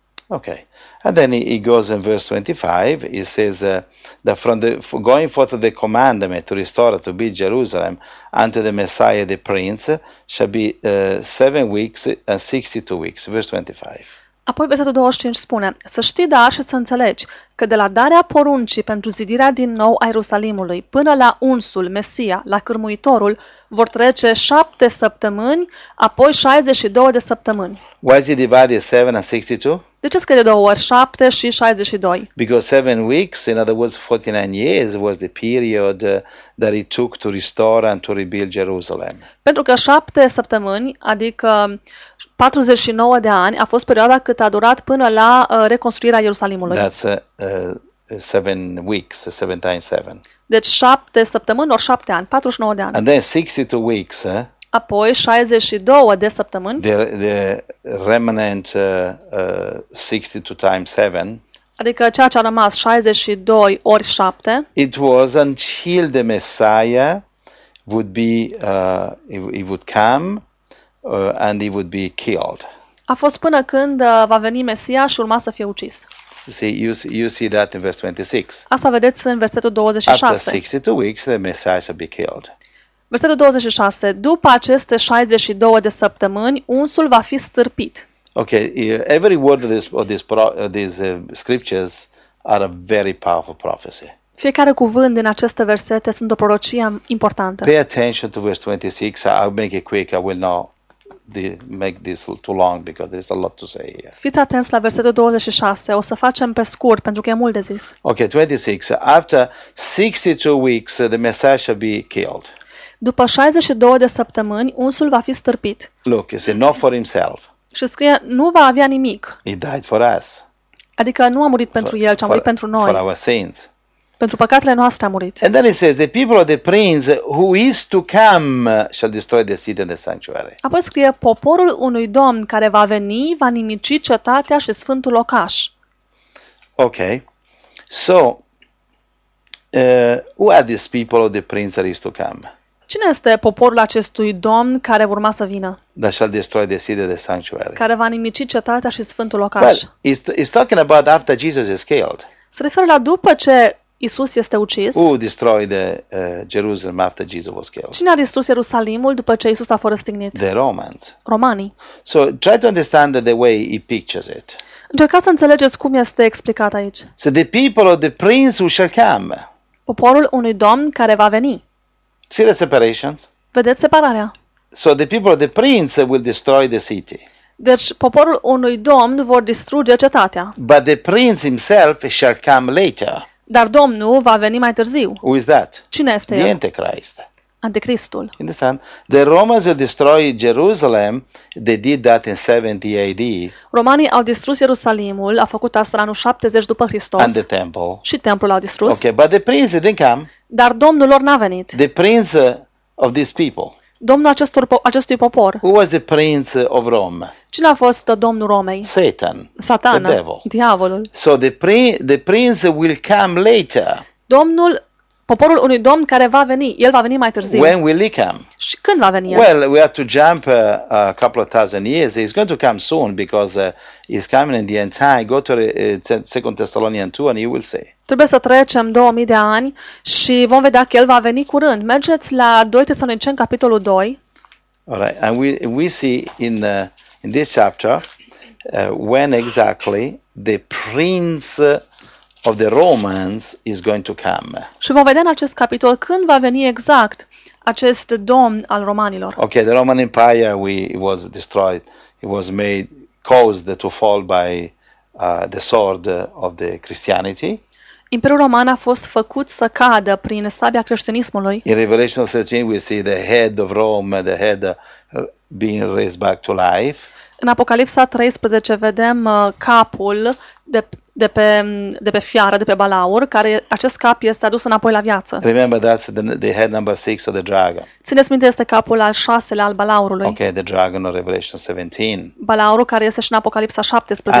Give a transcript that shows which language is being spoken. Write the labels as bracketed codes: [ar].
[en] Okay. And then he goes in verse 25, he says that from the going forth of the commandment to restore to be Jerusalem unto the Messiah the Prince shall be 7 weeks and 62 weeks. Verse 25. [ro] Apoi versetul 25 spune, să știi dar și să înțelegi că de la darea poruncii pentru zidirea din nou a Ierusalimului până la unsul, Mesia, la cârmuitorul, vor trece 7 săptămâni, apoi 62 de săptămâni. [en] Why is it divided 7 and 62? [ro] De ce scrie două ori 7 și 62? [en] Because 7 weeks, in other words 49 years, was the period that it took to restore and to rebuild Jerusalem. [ro] Pentru că 7 săptămâni, adică 49 de ani, a fost perioada cât a durat până la reconstruirea Ierusalimului. [en] That's 7 weeks, 7 times 7. [ro] Deci 7 săptămâni ori 7 ani, 49 de ani. [en] And then 62 weeks, [ro] Apoi 62 de săptămâni. [en] The remnant 62 times 7. [ro] Adică ceea ce a rămas 62 ori 7. [en] It was until the Messiah would be he would come and he would be killed. [ro] A fost până când va veni Mesia și urma să fie ucis. [en] You see that in verse 26. [ro] Asta vedeți în versetul 26. [en] After 62 weeks the Messiah shall be killed. [ro] Versetul 26. După aceste 62 de săptămâni, unsul va fi stârpit. [en] Okay, every word of these scriptures are a very powerful prophecy. [ro] Fiecare cuvânt din aceste versete sunt o prorocie importantă. [en] Pay attention to verse 26. I'll make it quick. I will not make this too long because there's a lot to say here. [ro] Fiți atenți la versetul 26. O să facem pe scurt pentru că e mult de zis. [en] Okay, 26. After 62 weeks, the Messiah shall be killed. [ro] După 62 de săptămâni, unsul va fi stârpit. [en] Look, he said, not for himself. [ro] Și scrie, nu va avea nimic. [en] He died for us. [ro] Adică nu a murit pentru el, ci a murit pentru noi. [en] For our sins. [ro] Pentru păcatele noastre a murit. [en] And then he says, the people of the prince who is to come shall destroy the city and the sanctuary. [ro] Apoi scrie, poporul unui domn care va veni va nimici cetatea și sfântul locaș. [en] Ok. So, who are these people of the prince that is to come? [ro] Cine este poporul acestui domn care urma să vină? [en] That shall destroy the city of the sanctuary. [ro] Care va nimici cetatea și sfântul locaș. [en] Well, he's talking about after Jesus is killed. [ro] Se referă la după ce Isus este ucis. [en] Who destroyed Jerusalem after Jesus was killed? [ro] Cine a distrus Ierusalimul după ce Isus a fost răstignit? [en] The Romans. [ro] Romanii. [en] So try to understand the way he pictures it. [ro] Încercați să înțelegeți cum este explicat aici. [en] So the people of the prince who shall come. [ro] Poporul unui domn care va veni. [en] See the separations? [ro] Vedeți separarea. [en] So the people of the prince will destroy the city. [ro] Deci poporul unui domn vor distruge cetatea. [en] But the prince himself shall come later. [ro] Dar domnul va veni mai târziu. [en] Who is that? [ro] Cine este el? [en] The Antichrist. [ro] Antichristul. [en] Understand? The Romans will destroy Jerusalem. They did that in 70 AD. [ro] Romanii au distrus Ierusalimul, a făcut asta anul 70 după Hristos. [en] And the temple. [ro] Și templul l-au distrus. [en] Okay, but the prince didn't come. [ro] Dar domnul lor n-a venit. [en] The prince of these people. [ro] Domnul acestui popor. [en] Who was the prince of Rome? [ro] Cine a fost domnul Romei? [en] Satan. [ro] Satana. [en] The devil. [ro] Diavolul. [en] So the prince will come later. [ro] Domnul, poporul unui domn care va veni, el va veni mai târziu. [en] When will he come? [ro] Și când va veni el? [en] Well, we have to jump a couple of thousand years. He's going to come soon because he's coming in the end time. Go to 2 Thessalonians 2 and you will see. [ro] Trebuie să trecem 2000 de ani și vom vedea că el va veni curând. Mergeți la 2 Tesaloniceni capitolul 2. [en] All right, and we see in this chapter when exactly the prince of the Romans is going to come. [ro] Și vom vedea în acest capitol când va veni exact acest domn al romanilor. [en] Okay, the Roman Empire was destroyed. It was made caused to fall by the sword of the Christianity. [ro] Imperiul roman a fost făcut să cadă prin sabia creștinismului. [en] In Revelation 13 we see the head of Rome, the head being raised back to life. [ro] În Apocalipsa 13 vedem capul de pe fiară, de pe balaur, care acest cap este adus înapoi la viață. [en] Remember that's the head number 6 of the dragon. [ro] Țineți minte, este capul al șaselea al balaurului. [en] Okay, the dragon of Revelation 17. [ro] Balaurul care este și în Apocalipsa 17.